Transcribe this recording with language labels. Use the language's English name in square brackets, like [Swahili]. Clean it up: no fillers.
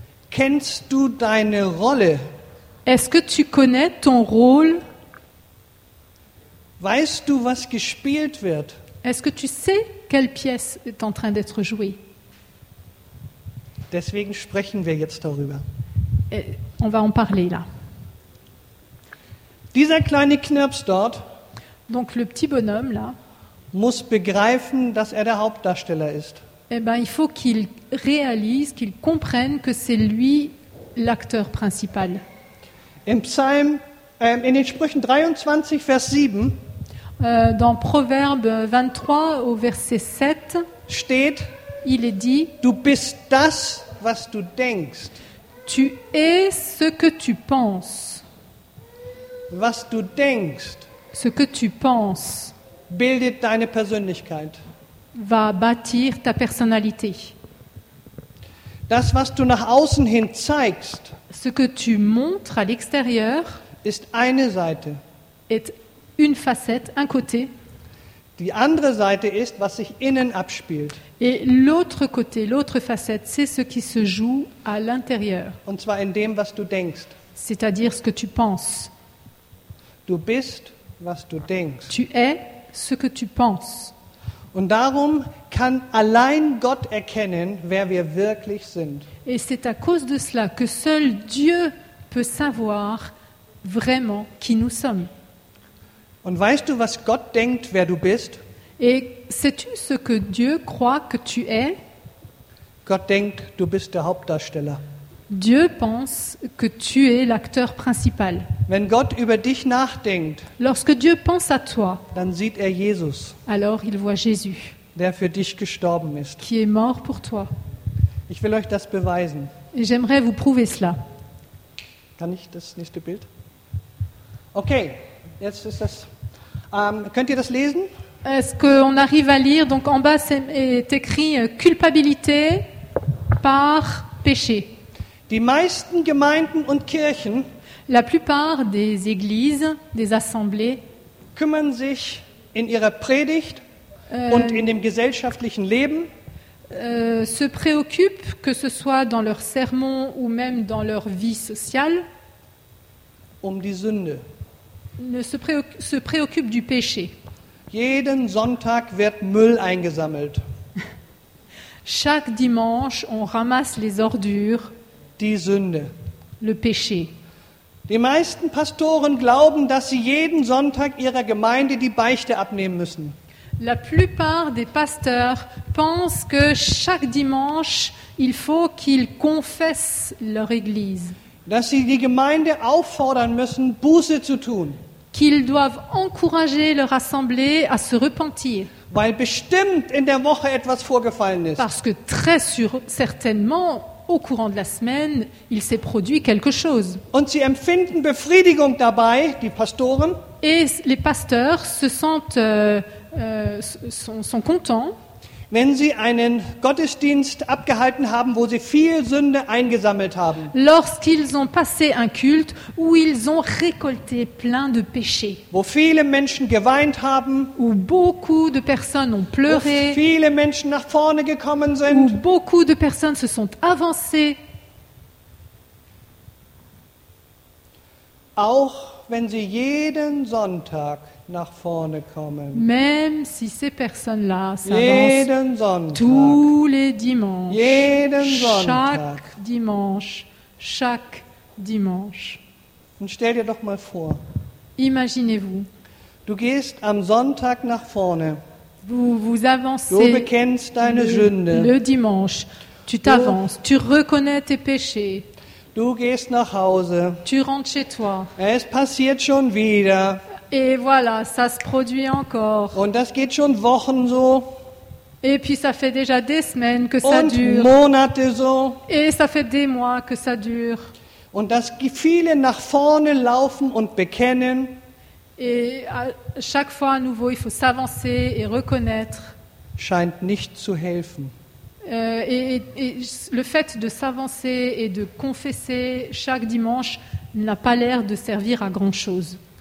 [German] Kennst du deine Rolle? [French] Est-ce que tu connais ton rôle? [German] Weißt du, was gespielt wird? [French] Est-ce que tu sais quelle pièce est en train d'être jouée? [German] Deswegen sprechen wir jetzt darüber. [French] Et on va en parler là. [German] Dieser kleine Knirps dort. [French] Donc le petit bonhomme là. [German] Muss begreifen, dass er der Hauptdarsteller ist. [French] Eh ben, il faut qu'il réalise, qu'il comprenne que c'est lui l'acteur principal. [German] Im Psalm, in den Sprüchen 23, Vers 7, [French] dans Proverbe 23, au verset 7, [German] steht, [French] il est dit, [German] du bist das, was du denkst. [French] Tu es ce que tu penses. [German] Was du denkst. [French] Ce que tu penses. [German] Bildet deine Persönlichkeit. [French] Va bâtir ta personnalité. [German] Das, was du nach außen hin zeigst, [French] ce que tu montres à l'extérieur, [German] ist eine Seite. [French] Est une facette, un côté. [German] Die andere Seite ist, was sich innen abspielt. [French] Et l'autre côté, l'autre facette, c'est ce qui se joue à l'intérieur. [German] Und zwar in dem, was du denkst. [French] C'est-à-dire ce que tu penses. [German] Du bist, was du denkst. [French] Tu es ce que tu penses. [German] Und darum kann allein Gott erkennen, wer wir wirklich sind. [French] Et c'est à cause de cela que seul Dieu peut savoir vraiment qui nous sommes. [German] Und weißt du, was Gott denkt, wer du bist? [French] Et sais-tu ce que Dieu croit que tu es? [German] Gott denkt, du bist der Hauptdarsteller. [French] Dieu pense que tu es l'acteur principal. [German] Wenn Gott über dich nachdenkt, [French] lorsque Dieu pense à toi, [German] dann sieht er Jesus. [French] Alors il voit Jésus. [German] Der für dich gestorben ist. [French] Qui est mort pour toi. [German] Ich will euch das beweisen. [French] Et j'aimerais vous prouver cela. [German] Kann ich das nächste Bild? Okay. Jetzt ist das, könnt ihr das lesen? [French] Est-ce qu'on arrive à lire? Donc en bas est écrit culpabilité par péché. [German] Die meisten Gemeinden und Kirchen, [French] la plupart des églises, des assemblées, [German] kümmern sich in ihrer Predigt und in dem gesellschaftlichen Leben, [French] se préoccupent, que ce soit dans leur sermon ou même dans leur vie sociale, [German] um die Sünde. [French] Se préoccupe du péché. [German] Jeden Sonntag wird Müll eingesammelt. [French] Chaque dimanche, on ramasse les ordures. [German] Die Sünde. [French] Le péché. [German] Die meisten Pastoren glauben, dass sie jeden Sonntag ihrer Gemeinde die Beichte abnehmen müssen. [French] La plupart des pasteurs pensent que chaque dimanche, il faut qu'ils confessent leur église. [German] Dass sie die Gemeinde auffordern müssen, Buße zu tun. [French] Qu'ils doivent encourager leur assemblée à se repentir. [German] Weil bestimmt in der Woche etwas vorgefallen ist. [French] Parce que très certainement, au courant de la semaine, il s'est produit quelque chose. [German] Und sie empfinden Befriedigung dabei, die Pastoren. [French] Et les pasteurs se sentent sont contents. [German] Wenn sie einen Gottesdienst abgehalten haben, wo sie viel Sünde eingesammelt haben. [French] Lorsqu'ils ont passé un culte où ils ont récolté plein de péchés. [German] Wo viele Menschen geweint haben. [French] Où beaucoup de personnes ont pleuré. [German] Wo viele Menschen nach vorne gekommen sind. [French] Où beaucoup de personnes se sont avancées. [German] Auch wenn sie jeden Sonntag nach vorne kommen. [French] Même si ces personnes-là s'avancent tous les dimanches, [German] jeden Sonntag. [French] Chaque dimanche. [German] Und stell dir doch mal vor. [French] Imaginez-vous. [German] Du gehst am Sonntag nach vorne. [French] Vous avancez. [German] Du bekennst deine Sünde. [French] Le dimanche, tu t'avances, tu reconnais tes péchés. [German] Du gehst nach Hause. [French] Tu rentres chez toi. [German] Es passiert schon wieder. [French] Et voilà, ça se produit encore. [German] Und das geht schon Wochen so. [French] Et puis ça fait déjà des semaines que [German] und [French] ça dure. [German] Monate so. [French] Et ça fait des mois que ça dure. [German] Und dass viele nach vorne laufen und bekennen. [French] Et à chaque fois à nouveau, il faut s'avancer et reconnaître. [German] Scheint nicht zu helfen. [French] Et le fait de s'avancer et de confesser chaque dimanche n'a pas l'air de servir à grand chose.